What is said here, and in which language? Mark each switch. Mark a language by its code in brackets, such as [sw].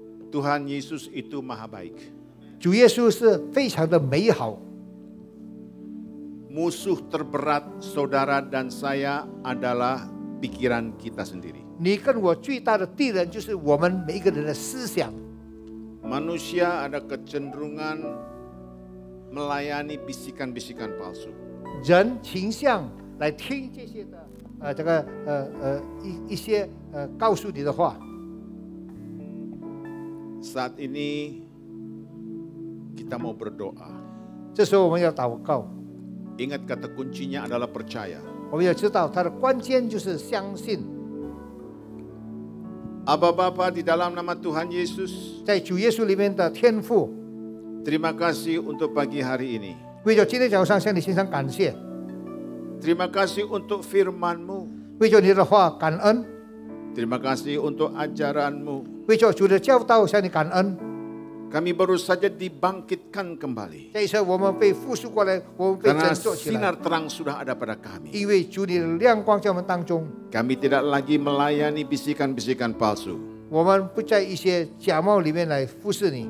[id] Tuhan Yesus itu maha baik. [zh] 主耶稣是非常的美好。 [id] Musuh terberat saudara dan saya adalah pikiran kita sendiri. [zh] 你跟我最大的敌人就是我们每一个人的思想。 [id] Manusia ada kecenderungan melayani bisikan-bisikan palsu. [zh] 人倾向来听这些的，这个一些告诉你的话。 [id] Saat ini kita mau berdoa. [zh] 这时候我们要祷告。 [id] Ingat kata kuncinya adalah percaya. [zh] 我们要知道它的关键就是相信。 [id] Abba Bapa, di dalam nama Tuhan Yesus, [zh] 在主耶稣里面的天父, [id] terima kasih untuk pagi hari ini. [zh] 为着今天早上向你献上感谢。 [id] Terima kasih untuk firman-Mu. [zh] 为着你的话感恩。 [id] Terima kasih untuk ajaran-Mu. [zh] 为着主的教导向你感恩。 [id] Kami baru saja dibangkitkan kembali. [zh] 这一次我们被复苏过来, 我们被振作起来。 [id] Karena sinar terang sudah ada pada kami. [zh] 因为主的亮光在我们当中。 [id] Kami tidak lagi melayani bisikan-bisikan palsu. [zh] 我们不在一些假冒里面来服侍你。